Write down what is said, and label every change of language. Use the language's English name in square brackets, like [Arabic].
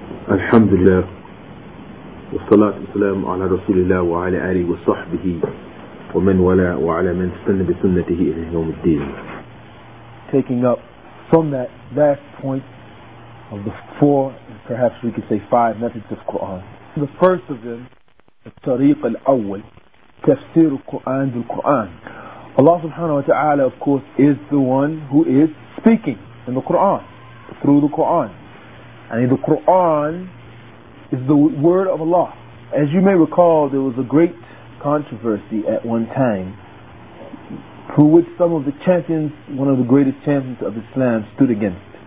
[Arabic] الحمد لله والصلاة والسلام على رسول الله وعلى آله وصحبه ومن ولا وعلى من استنى بسنته إلى يوم الدين. [English] Taking up from that last point of the four, perhaps we could say five methods of Quran. The first of them, [Arabic] الطريق الأول, تفسير القرآن بالقرآن. [English] Allah subhanahu wa ta'ala, of course, is the one who is speaking in the Quran, through the Quran. And the Quran is the word of Allah. As you may recall, there was a great controversy at one time for which some of the champions, one of the greatest champions of Islam, stood against.